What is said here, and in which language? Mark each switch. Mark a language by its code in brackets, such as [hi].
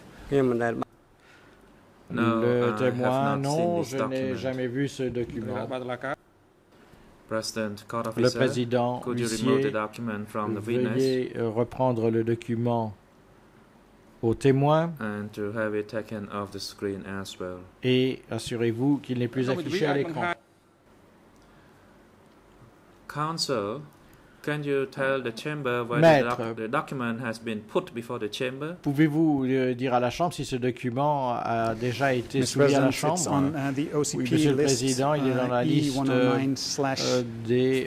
[fr] Le témoin, non, je n'ai jamais vu ce document. [en] President, court officer, [fr] le Président, huissier, veuillez reprendre le document au témoin [en] and to have it taken off the screen as well. [fr] Et assurez-vous qu'il n'est plus affiché à l'écran. [en] Counsel, can you tell the chamber whether the document has been put before the chamber? [fr] Pouvez-vous dire à la chambre si ce document a déjà été soumis à la chambre? On, oui, Monsieur le Président, il est dans la liste des